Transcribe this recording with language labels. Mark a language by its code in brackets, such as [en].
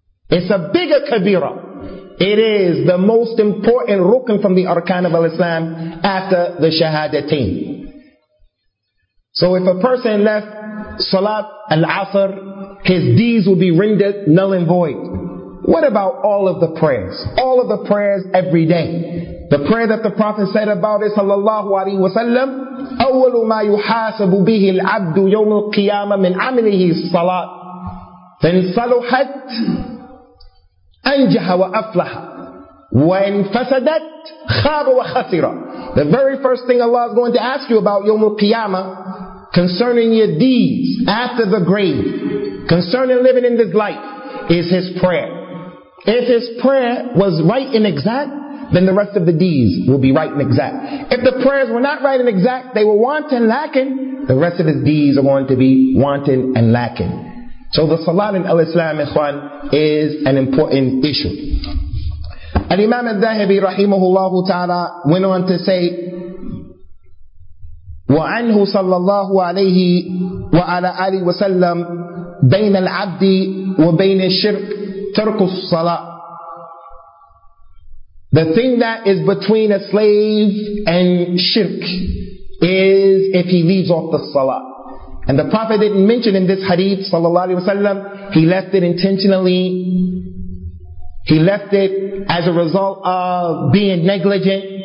[en] It's a bigger kabira. It is the most important rukn from the arkan of al-Islam after the shahadatain. So if a person left Salat al-Asr, his deeds will be rendered null and void. What about all of the prayers? All of the prayers every day. The prayer that the Prophet said about it, sallallahu alayhi wa sallam, [ar] أَوَّلُ مَا يُحَاسَبُ بِهِ الْعَبْدُ يَوْمُ الْقِيَامَةِ مِنْ عَمِلِهِ الصَّلَاةِ فَإِنْ صَلُحَتْ أَنْجَحَ وَأَفْلَحَ وَإِنْ فَسَدَتْ خَابَ وَخَسِرَ. [en] The very first thing Allah is going to ask you about يَوْمُ الْقِيَامَةِ, concerning your deeds after the grave, concerning living in this life, is his prayer. If his prayer was right and exact, then the rest of the deeds will be right and exact. If the prayers were not right and exact, they were wanting, lacking, the rest of his deeds are going to be wanting and lacking. So the salat in al-Islam, ikhwan, is an important issue. Al-Imam al-Dhahibi, rahimahullah ta'ala, went on to say, [ar] وعنه صلى الله عليه وعلى آله وسلم بين العبد وبين الشرك ترك الصلاة. [en] The thing that is between a slave and shirk is if he leaves off the salah. And the Prophet didn't mention in this hadith, [ar] صلى الله عليه وسلم, [en] he left it intentionally. He left it as a result of being negligent.